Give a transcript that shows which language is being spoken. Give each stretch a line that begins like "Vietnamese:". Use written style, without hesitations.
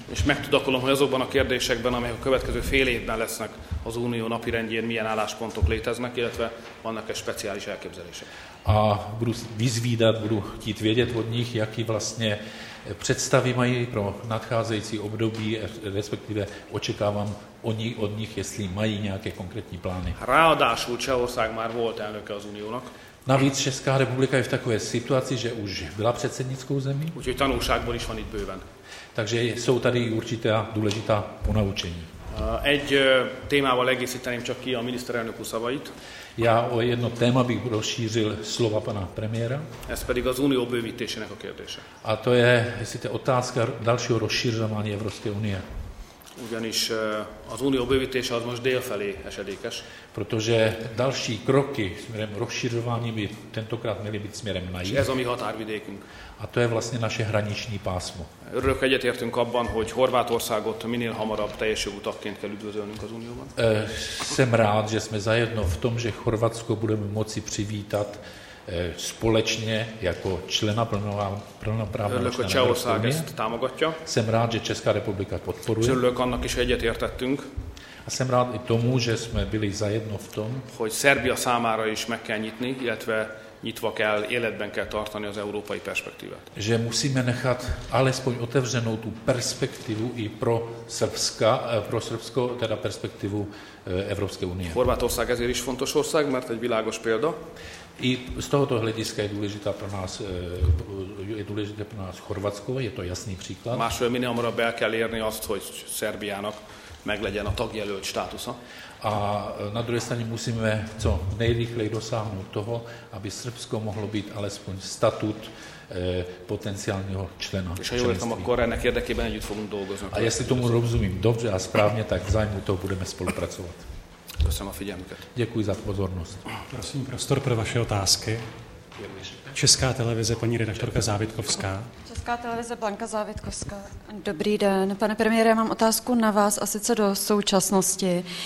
Hungarian: És megtudakolom, hogy azokban a kérdésekben, amelyek a következő fél évben lesznek az unió napi rendjén, milyen álláspontok léteznek, illetve vannak-e speciális elképzelések.
Czech: A budu vyzvídat, budu chtít vědět od nich, jaký vlastně představy mají pro nadcházející období, respektive očekávám od nich, jestli mají nějaké konkrétní plány.
Hungarian: Ráadásul Csehország már volt elnöke az uniónak.
Czech: Navíc Česká republika je v takové situaci, že už byla předsednickou zemí.
Hungarian: Úgyhogy tanulságból is van itt bőven.
Czech: Takže jsou tady určitá důležitá ponaučení.
Hungarian: Egy témával egészíteném csak ki a miniszterelnök úr szavait.
Czech: Já o jedno téma bych rozšířil slova pana premiéra.
Hungarian: Ez pedig az unió bővítésének a kérdése.
Czech: A to je, jestli to je otázka dalšího rozšířování Evropské unie.
Hungarian: Ugyanis az unió bővítése az most délfelé esedékes.
Czech: Protože další kroky směrem rozšířování by tentokrát měly být směrem na jih.
Hungarian: Ez a mi határvidékünk.
Czech: A to je vlastně naše hraniční pásmo.
Hungarian: Örök egyetértünk abban, hogy Horvátországot minél hamarabb teljes jogú tagként kell üdvözölnünk az unióban.
Czech: Jsem rád, že jsme zajedno v tom, že Chorvatsko budeme moci přivítat společně jako člena plnoprávného člena Evropské unie.
Hungarian: Örök, hogy Csehország ezt támogatja.
Czech: Jsem rád, že Česká republika podporuje.
Hungarian: Örök, annak is egyetértettünk.
Czech: A jsem rád i tomu, že jsme byli zajedno v tom,
Hungarian: hogy Szerbia számára is meg kell nyitni, illetve nyitva kell, életben kell tartani az európai perspektívát.
Czech: Že musíme nechat alespoň otevřenou tu perspektivu i pro Srbska, pro Srbsko, teda perspektivu Evropské unie.
Hungarian: Horvátország ezért is fontos ország, mert egy világos példa.
Czech: I z tohoto hlediska je důležitá pro nás, je důležité pro nás Chorvatsko, je to jasný příklad.
Hungarian: Máshol minél hamarabb el kell érni azt, hogy Szerbiának meglegyen a tagjelölt státusza.
Czech: A na druhé straně musíme co nejrychleji dosáhnout toho, aby Srbsko mohlo být alespoň statut potenciálního člena.
Hungarian: A jo, tam akkor ennek érdekében együtt fogunk dolgozni.
Czech: A jestli tomu rozumím dobře a správně, tak v zájmu toho budeme spolupracovat. Prosím
Hungarian: a figyelmüket.
Czech: Děkuji za pozornost. Prosím, prostor pro vaše otázky. Česká televize, paní redaktorka Závitkovská. Česká televize, Blanka Závitkovská. Dobrý den. Pane premiére, mám otázku na vás, a sice do současnosti.